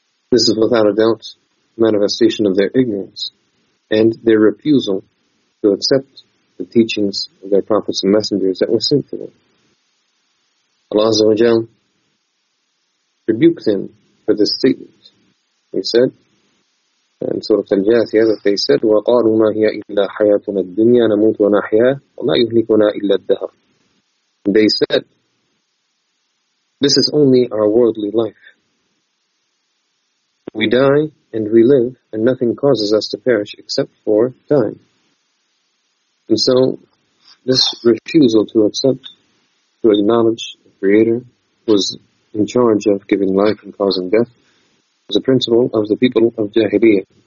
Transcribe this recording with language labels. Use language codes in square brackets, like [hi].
[en] This is without a doubt a manifestation of their ignorance and their refusal to accept the teachings of their prophets and messengers that were sent to them. Allah Azza wa Jal rebuked them for this statement. He said, [ar] من سورة الجاثية تيسر، وقالوا ما هي إلا حياتنا الدنيا نموت ونحيا وما يهلكنا إلا الدهر. [en] They said, this is only our worldly life. We die and we live, and nothing causes us to perish except for time. And so, this refusal to accept, to acknowledge the Creator, was in charge of giving life and causing death, was a principle of the people of Jahiliyyah.